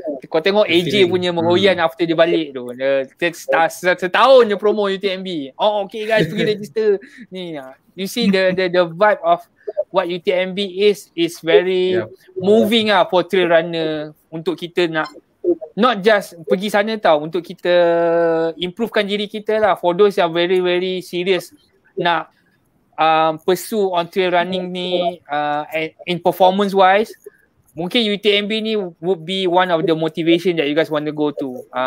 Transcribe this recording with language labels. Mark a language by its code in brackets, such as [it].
[ms] Kau tengok AJ punya meroyan after dia balik tu. Dia setahun je promo UTMB. Oh okay guys, pergi register. [en] Ni, you see the vibe of what UTMB is very moving lah for trail runner. [ms] Untuk kita nak [en] not just [ms] pergi sana tau. Untuk kita improvekan diri kita lah. [en] For those yang very very serious nak pursue on trail running ni in performance wise, [ms] mungkin UTMB ni [en] would be one of the motivation that you guys want to go to.